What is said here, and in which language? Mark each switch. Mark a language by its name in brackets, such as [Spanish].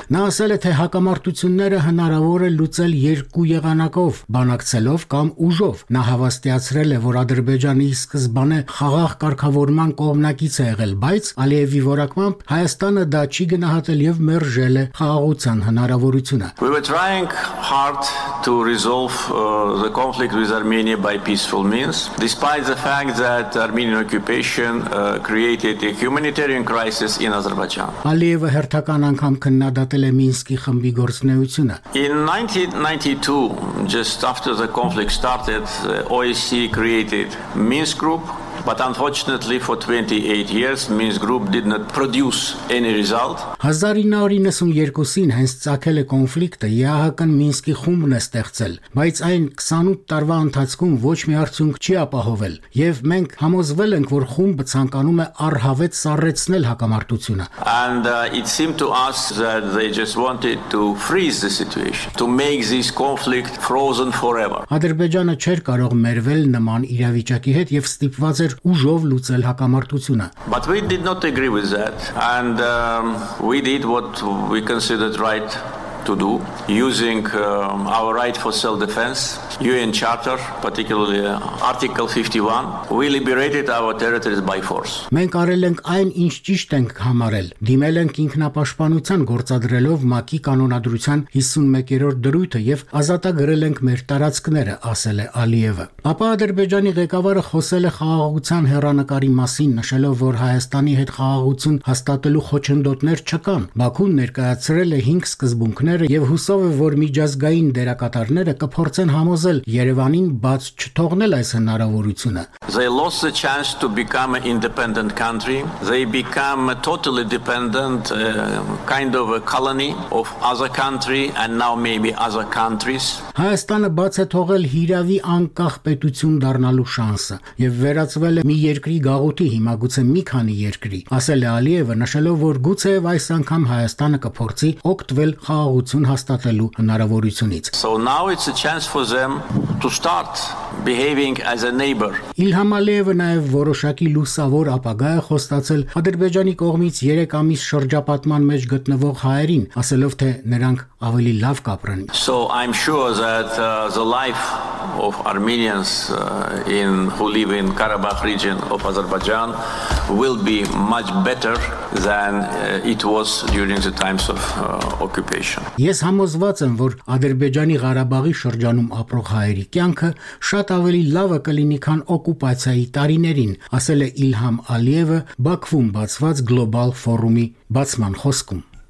[Armenian] Նա ասել է, թե հակամարտությունները հնարավոր է լուծել երկու եղանակով՝ բանակցելով կամ ուժով։ Նա հավաստիացրել է, որ Ադրբեջանը ի սկզբանե խաղաղ կարգավորման կողմնակից է եղել, բայց Ալիևի որակմամբ Հայաստանը դա չի գնահատել եւ մերժել է խաղաղության հնարավորությունը։ [English] We were trying hard to resolve the conflict with Armenia by peaceful means, despite the fact that Armenian occupation created a humanitarian crisis in Azerbaijan. [Armenian] Ալիևը հերթական անգամ քննադատել է Մինսկի խմբի գործունեությունը։ [English] In 1992, just after the conflict started, OSCE created Minsk group. But unfortunately for 28 years Minsk group did not produce any result. [Armenian] 1992-ին հենց ծագել է կոնֆլիկտը, ԵԱՀԿ-ն Մինսկի խումբն է ստեղծել, բայց այն 28 տարվա ընթացքում ոչ մի արդյունք չի ապահովել, եւ մենք համոզվել ենք, որ խումբը ցանկանում է առհավետ սառեցնել հակամարտությունը. [English] And it seemed to us that they just wanted to freeze the situation, to make this conflict frozen forever. [Armenian] Ադրբեջանը չէր կարող մերվել նման իրավիճակի հետ եւ ստիպված ուժով լուծել հակամարտությունը։ [English] But we did not agree with that and we did what we considered right to do using our right for self-defense, UN Charter, particularly Article 51, we liberated our territories by force. [Armenian] Մենք արել ենք այն, ինչ ճիշտ ենք համարել։ Դիմել ենք ինքնապաշտպանության գործադրելով ՄԱԿ-ի կանոնադրության 51-րդ դրույթը եւ ազատագրել ենք մեր տարածքները, ասել է Ալիևը։ Ապա Ադրբեջանի ղեկավարը խոսել է խաղաղության հեռանկարի մասին, նշելով, որ Հայաստանի հետ խաղաղություն հաստատելու խոչընդոտներ չկան։ ՄԱԿ-ն ներկայացրել է 5 սկզբունքները եւ հուսով է, որ միջազգային դերակատարները կփորձեն համոզել Երևանին բաց չթողնել այս հնարավորությունը։ [English] They lost the chance to become an independent country. They become a totally dependent kind of a colony of other country and now maybe other countries. [Armenian] Հայաստանը բաց է թողել հիրավի անկախ պետություն դառնալու շանսը եւ վերածվել է մի երկրի գաղութի հիմագուցե մի քանի երկրի, ասել է Ալիևը, նշելով, որ գուցե այս անգամ Հայաստանը կփորձի օգտվել խաղաղություն հաստատելու հնարավորությունից։ [English] So now it's a chance for them to start behaving as a neighbor. [Armenian] Իլհամ Ալիևը նաև որոշակի լուսավոր ապագա է խոստացել Ադրբեջանի կողմից 3 ամիս շրջապատման մեջ գտնվող հայերին, ասելով, թե նրանք ավելի լավ կապրեն։ [English] So I'm sure that the life of Armenians in who live in Karabakh region of Azerbaijan will be much better than it was during the times of occupation. [Armenian] Ես համոզված եմ, որ Ադրբեջանի Ղարաբաղի շրջանում ապրող հայերի կյանքը շատ ավելի լավը կլինի, քան օկուպացիայի տարիներին, ասել է Իլհամ Ալիևը Բաքվում բացված գլոբալ ֆորումի բացման խոսքում։